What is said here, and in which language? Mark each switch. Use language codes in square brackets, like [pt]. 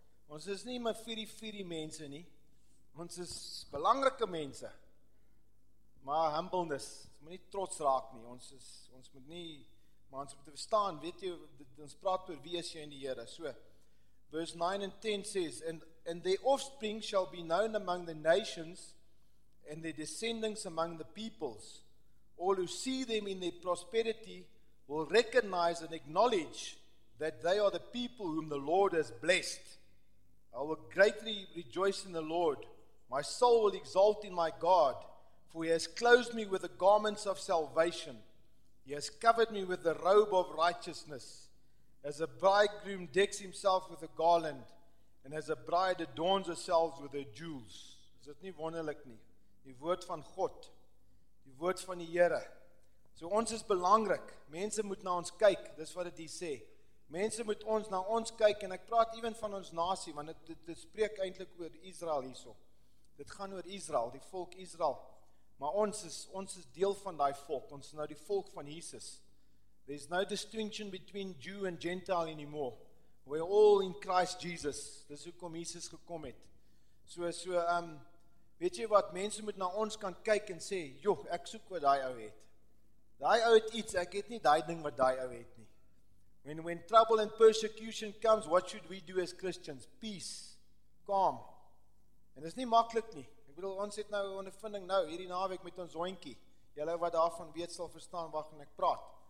[af] Ons is nie maar vierie mense nie. Ons is belangrike mense. Maar humbleness, ons moet nie trots raak nie. Ons moet verstaan, weet jy, ons praat oor wie is jy in die Here. [en] So, verse 9 and 10 says, and their offspring shall be known among the nations, and their descendants among the peoples. All who see them in their prosperity will recognize and acknowledge that they are the people whom the Lord has blessed. I will greatly rejoice in the Lord. My soul will exult in my God, for he has clothed me with the garments of salvation. He has covered me with the robe of righteousness. As a bridegroom decks himself with a garland, and as a bride adorns herself with her jewels. [af] Is dit nie wonderlik nie? Die woord van God. Die woord van die Here. So ons is belangrik. Mense moet na ons kyk. Dis wat dit hier sê. Mense moet ons na ons kyk, en ek praat even van ons nasie, want dit spreek eintlik oor Israel hierso. Dit gaan oor Israel, die volk Israel. Maar ons is deel van daai volk. Ons is nou die volk van Jesus. [en] There's no distinction between Jew and Gentile anymore. We're all in Christ Jesus. [af] Dis hoekom Jesus gekom het. So, weet jy wat, mense moet na ons kan kyk en sê, joh, ek soek wat daai ou het. Daai ou het iets, ek het nie daai ding wat daai ou het nie. [en] When trouble and persecution comes, what should we do as Christians? Peace, calm. [af] En dis nie maklik nie. Ek bedoel, ons het nou 'n ondervinding nou, hierdie naweek met ons hondjie. Julle wat daarvan weet sal verstaan waar gaan ek praat.